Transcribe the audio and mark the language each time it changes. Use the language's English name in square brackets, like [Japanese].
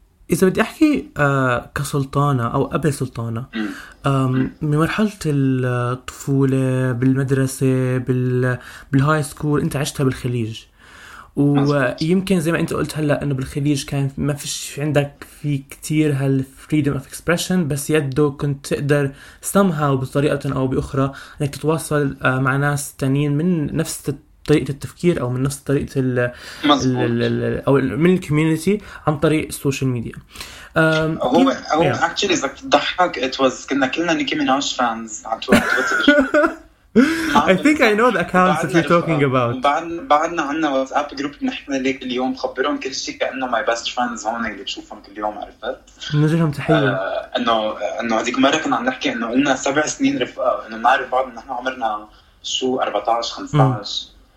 [Arabic] اذا بدي احكي كسلطانه او ابي سلطانه، من مرحلة الطفولة بالمدرسة بالهاي سكول انت عشتها بالخليج، ويمكن زي ما انت قلت هلا انه بالخليج كان ما فيش عندك في كتير [English] هالفريدم of expression, [Arabic] بس يده كنت تقدر سمها بطريقة او باخرى انك تتواصل مع ناس تانيين من نفس طريقة التفكير او من نفس طريقة الـ الـ الـ الـ او من الكوميونتي عن طريق السوشيال ميديا. هو اكشلي اذا بتضحك [English] it was [Arabic] كنا كلنا نيكي ميناج فانز على تويتر. [English] I think I know the accounts that you're talking about. [Arabic] بعدنا عنا واتساب جروب نحن ليك اليوم خبرهم كل شيء كأنه [English] my best friends [Arabic] هون اللي بشوفهم كل يوم، عرفت؟ نزلهم تحية. انه هذيك مرة كنا عم نحكي انه قلنا 7 سنين رفقاء، انه نعرف بعض نحن عمرنا شو 14 15.